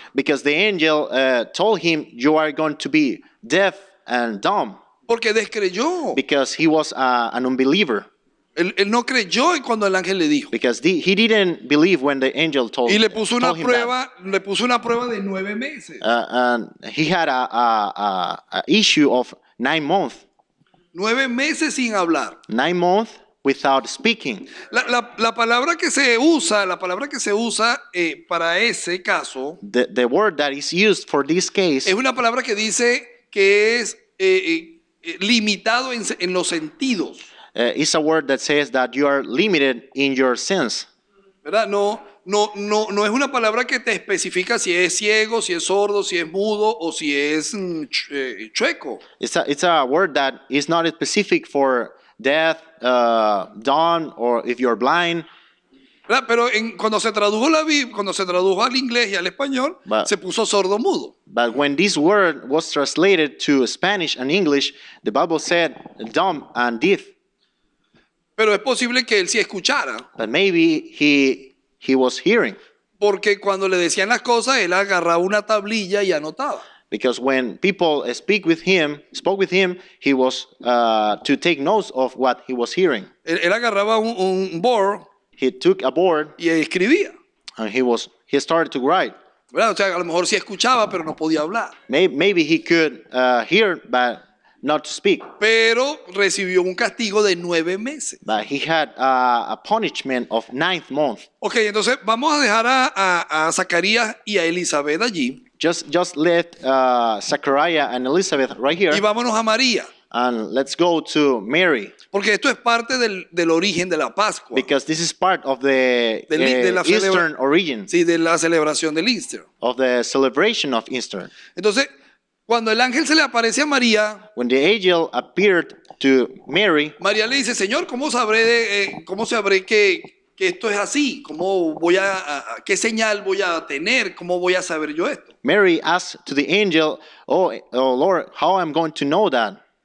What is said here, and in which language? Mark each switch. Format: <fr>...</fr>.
<en>Because the angel told him, you are going to be deaf and dumb.</en> <es>Porque descreyó.</es> <en>Because he was an unbeliever.</en> <es>Él no creyó cuando el ángel le dijo.</es> <en>Because he didn't believe when the angel told him.</en> <es>Y le puso una prueba. Le puso una prueba de 9 meses.</es> <en>And he had a issue of 9 months.</en> <es>9 meses sin hablar.</es> <en>9 months. Without speaking.</en> <es>La palabra que se usa, la palabra que se usa para ese caso.</es> <en>The word that is used for this case.</en> <es>Es una palabra que dice que es limitado en los sentidos.</es> <en>It's a word that says that you are limited in your sense.</en> <es>¿Verdad? No es una palabra que te especifica si es ciego, si es sordo, si es mudo o si es chueco.</es> <en>It's a word that is not specific for death, dawn, or if you're blind.</en> <es>Pero cuando se tradujo la Biblia, cuando se tradujo al inglés y al español, se puso sordo mudo.</es> <en>But when this word was translated to Spanish and English, the Bible said dumb and deaf.</en> <es>Pero es posible que él sí escuchara.</es> <en>But maybe he was hearing.</en> <es>Porque cuando le decían las cosas, él agarraba una tablilla y anotaba.</es> <en>Because when people spoke with him, he was to take notes of what he was hearing.</en> <es>Él agarraba un board.</es> <en>He took a board.</en> <es>Y escribía.</es> <en>And he started to write.</en> <es>Bueno, o sea, a lo mejor sí escuchaba, pero no podía hablar.</es> <en>Maybe he could hear, but not to speak.</en> <es>Pero recibió un castigo de 9 meses.</es> <en>But he had a punishment of 9 months.</en> <es>Okay, entonces vamos a dejar a Zacarías y a Elizabeth allí.</es> <en>Just left Zachariah and Elizabeth right here.</en> <es>Y vámonos a María.</es> <en>And let's go to Mary.</en> <es>Porque esto es parte del origen de la Pascua.</es> <en>Because this is part of the Eastern origin.</en> <es>Sí, de la celebración del Easter.</es> <en>Of the celebration of Easter.</en> <es>Entonces, cuando el ángel se le aparece a María,</es> <en>when the angel appeared to Mary,</en> <es>María le dice, Señor, ¿cómo sabré que esto es así? ¿Cómo voy a qué señal voy a tener? ¿Cómo voy a saber yo esto?</es> <en>Mary asked to the angel, oh Lord, how am I going to know that?</en>